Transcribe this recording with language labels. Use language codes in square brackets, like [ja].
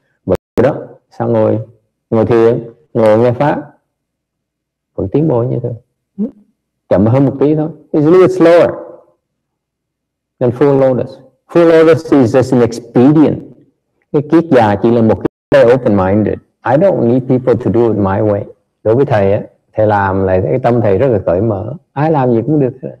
[vi] Bởi vì đó, sao ngồi thiền, ngồi nghe pháp, vẫn tiến bộ như thường. Chậm hơn một tí thôi. [en] It's a little slower than full lotus. Full lotus is just an expedient. [vi] Cái kiết già chỉ là một cái open-minded. [en] I don't need people to do it my way. [vi] Đối với thầy á, thầy làm lại cái tâm thầy rất là cởi mở, ai làm gì cũng được.